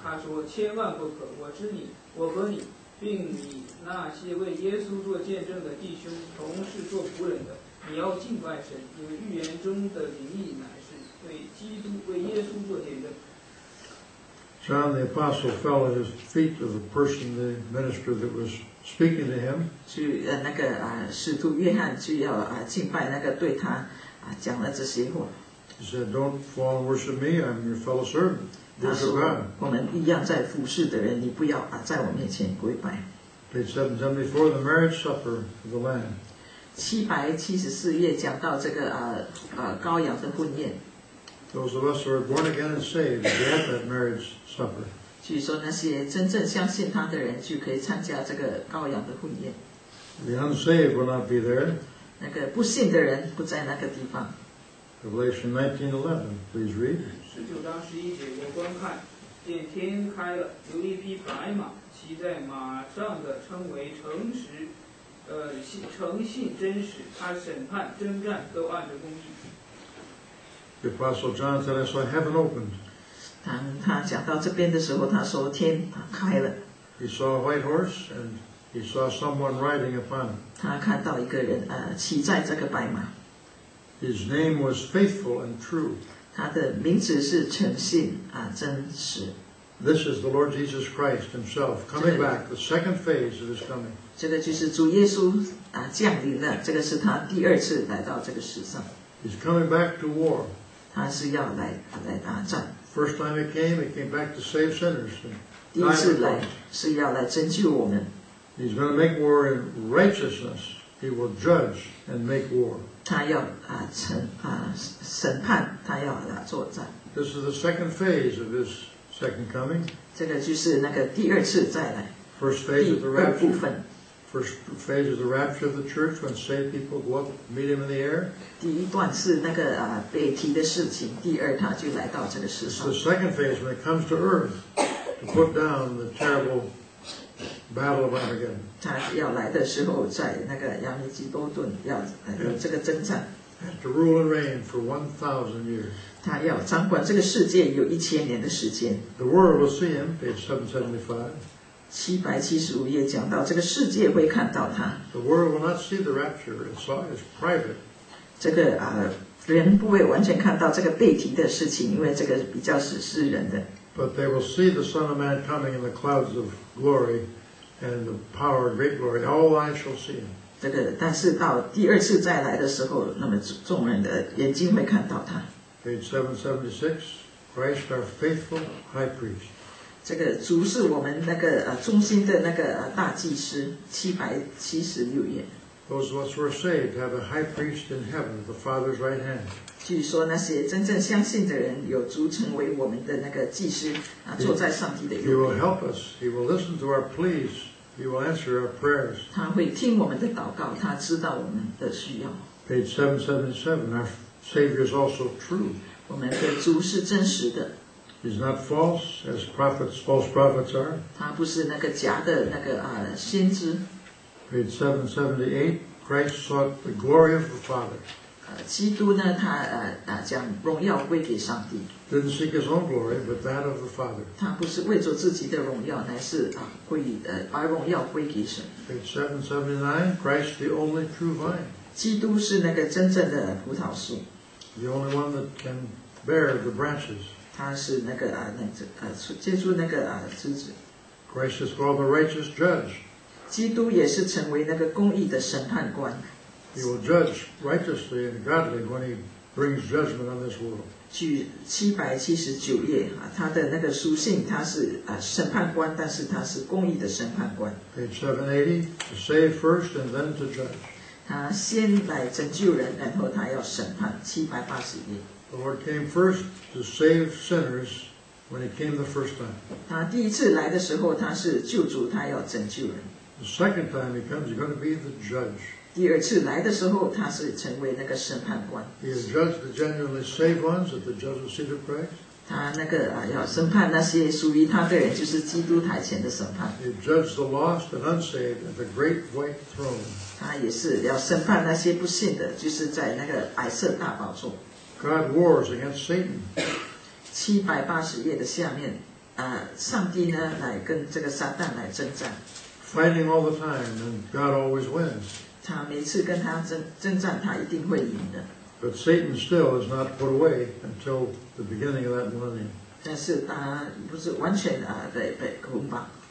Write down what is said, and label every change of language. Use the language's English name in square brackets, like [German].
[Chinese] 他说：“千万不可，我知你，我和你，并你那些为耶稣做见证的弟兄，同是做仆人的。你要敬拜神，因为预言中的灵意乃是为基督、为耶稣做见证。” [English] John the apostle fell at his feet of the person, the minister that was. Speaking to him, [Chinese] 去那个使徒约翰就要敬拜那个对他讲了这些话。 [English] He said, "Don't fall and worship me. I'm your fellow servant." [Chinese] 他说，我们一样在服侍的人，你不要在我面前跪拜。 [English] Page 774, the marriage supper of the Lamb. [Chinese] 774页讲到这个羔羊的婚宴。 [English] Those of us who are born again and saved, we have that marriage supper. [Chinese] 据说那些真正相信他的人就可以参加这个羔羊的婚宴。 [English] The unsaved will not be there. [Chinese] 那个不信的人不在那个地方。 [English] Revelation 19:11, please read. [Chinese] 十九章十一节，我观看，见天开了，有一匹白马，骑在马上的称为诚实，诚信真实，他审判征战都按着公义。 [English] The Apostle John said, "I saw heaven opened." [Chinese] 当他讲到这边的时候，他说天开了。 [English] He saw a white horse and he saw someone riding upon it. [Chinese] 他看到一个人骑在这个白马。 [English] His name was faithful and true. [Chinese] 他的名字是诚信真实。 [English] This is the Lord Jesus Christ himself coming back, the second phase of his coming. [Chinese] 这个就是主耶稣降临了，这个是他第二次来到这个世上。 [English] He's coming back to war. [Chinese] 他是要来打战。 [English] First time it came back to save sinners. [Chinese] 第一次来是要来拯救我们。 [English] He's going to make war in righteousness. He will judge and make war. [Chinese] 他要审判，他要作战。 [English] This is the second phase of his second coming. [Chinese] 这个就是那个第二次再来。 [English] First phase of the rapture. [Chinese] 第二部分。 [English] First phase is the rapture of the church when saved people go up, meet him in the air. [Chinese] 第一段是那个被提的事情，第二他就来到这个世上。 [English] The second phase when it comes to earth to put down the terrible battle of Armageddon. [Chinese] 他要来的时候，在那个亚米基多顿要有这个征战。 [English] And to rule and reign for 1,000 years. [Chinese] 他要掌管这个世界有一千年的时间。 [English] The world will see him. Page 775. [Chinese] 775页讲到这个世界会看到他。 [English] The world will not see the rapture, it saw it as private. [Chinese] 这个人不会完全看到这个被提的事情，因为这个比较是私人的。 [English] But they will see the Son of Man coming in the clouds of glory and the power of great glory. All eyes shall see him. [Chinese] 这个，但是到第二次再来的时候，那么众人的眼睛会看到他。 [English] Page 776, Christ our faithful high priest. [Chinese] 这个主是我们那个中心的那个大祭司，776页。 [English] Those of us who are saved have a high priest in heaven, the Father's right hand. [Chinese] 据说那些真正相信的人有主成为我们的那个祭司，坐在上帝的右边。 [English] He will help us. He will listen to our pleas. He will answer our prayers. [Chinese] 他会听我们的祷告，他知道我们的需要。 [English] Page 777, our Savior is also true. [Chinese] 我们的主是真实的。 [English] He's not false, as prophets, false prophets are. [Chinese] 他不是那个假的那个先知。 [English] Page 778, Christ sought the glory of the Father. [Chinese] 基督呢，他将荣耀归给上帝。 [English] Didn't seek his own glory, but that of the Father. [Chinese] 他不是为着自己的荣耀，乃是把荣耀归给神。 [English] Page 779, Christ the only true vine. [Chinese] 基督是那个真正的葡萄树。 [English] The only one that can bear the branches. [Chinese] 他是那个接住那个枝子。 [English] Christ is called the righteous judge. [Chinese] 基督也是成为那个公义的审判官。 [English] He will judge righteously and godly when he brings judgment on this world. [Chinese] 据779页他的那个书信，他是审判官，但是他是公义的审判官。 [English] Page 780, to save first and then to judge. [Chinese] 他先来拯救人，然后他要审判。 781页。 [English] The Lord came first to save sinners when he came the first time. [Chinese] 他第一次来的时候，他是救主，他要拯救人。 [English] The second time he comes, he's going to be the judge. [Chinese] 第二次来的时候，他是成为那个审判官。 [English] He has judged the genuinely saved ones at the judgment seat of Christ. [Chinese] 他那个要审判那些属于他的人，就是基督台前的审判。 [English] He judged the lost and unsaved at the great white throne. [Chinese] 他也是要审判那些不信的，就是在那个白色大宝座。 [English] God wars against Satan. [Chinese] 780页的下面，上帝呢来跟这个撒旦来征战。 [English] Fighting all the time, and God always wins. [Chinese] 他每次跟他征战，他一定会赢的。 [English] But Satan still is not put away until the beginning of that millennium. [Chinese] 但是他不是完全被捆绑。